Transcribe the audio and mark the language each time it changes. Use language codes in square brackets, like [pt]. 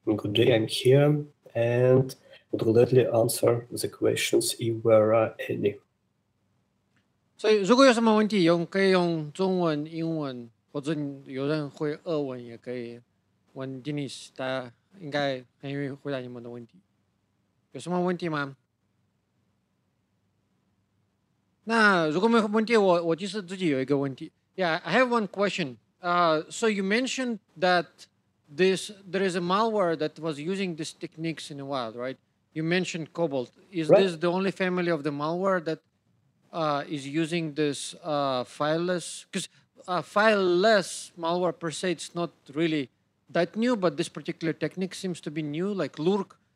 [en] I'm here and would gladly answer the questions if there are any. [zh] 所以如果有什么问题，可以用中文、英文，或者有人会俄文也可以问 Denis， 大家应该很愿意回答你们的问题。有什么问题吗？那如果没有问题，我就是自己有一个问题。 [en] Yeah, I have one question. So you mentioned that there is a malware that was using these techniques in the wild, right? You mentioned Cobalt. Is this the only family of the malware that is using this fileless? Because fileless malware per se, it's not really that new, but this particular technique seems to be new, like Lurk.